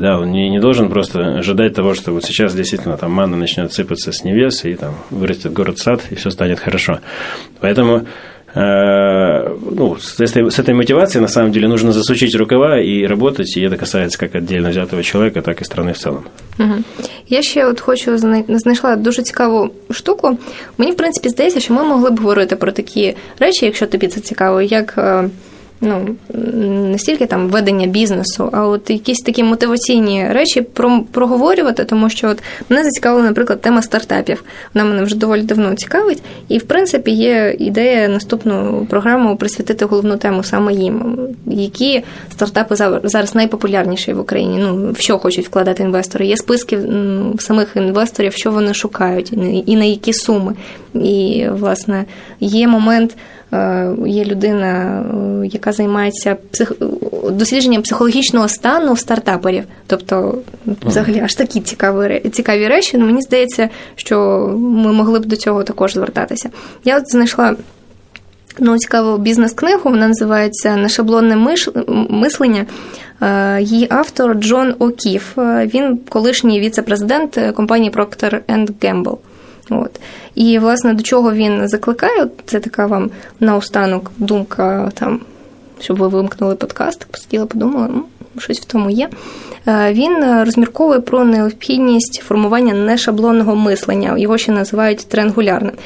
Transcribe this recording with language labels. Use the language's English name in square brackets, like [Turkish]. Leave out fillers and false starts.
[Russian] Да, он не должен просто ожидать того, что вот сейчас действительно там манна начнет сыпаться с небес, и там вырастет город-сад, и все станет хорошо. Поэтому. Ну, с этой мотивацией, на самом деле, нужно засучить рукава и работать, и это касается как отдельно взятого человека, так и страны в целом. Угу. [Ukrainian] Я ще от хочу, знайшла дуже цікаву штуку. Мені, в принципі, здається, що ми могли б говорити про такі речі, якщо тобі це цікаво, як, ну, настільки там ведення бізнесу, а от якісь такі мотиваційні речі проговорювати, тому що от мене зацікавила, наприклад, тема стартапів. Вона мене вже доволі давно цікавить, і, в принципі, є ідея наступну програму присвятити головну тему саме їм. Які стартапи зараз найпопулярніші в Україні? Ну, в що хочуть вкладати інвестори? Є списки самих інвесторів, що вони шукають, і на які суми? І, власне, є момент... Є людина, яка займається дослідженням психологічного стану стартаперів. Тобто, взагалі, аж такі цікаві речі. Ну, мені здається, що ми могли б до цього також звертатися. Я от знайшла цікаву бізнес-книгу, вона називається «Нешаблонне мислення». Її автор Джон О'Кіф. Він колишній віце-президент компанії Procter & Gamble. От. І, власне, до чого він закликає, це така вам наостанок думка, там, щоб ви вимкнули подкаст, посиділи, подумали, щось в тому є. Він розмірковує про необхідність формування нешаблонного мислення, його ще називають триангулярним.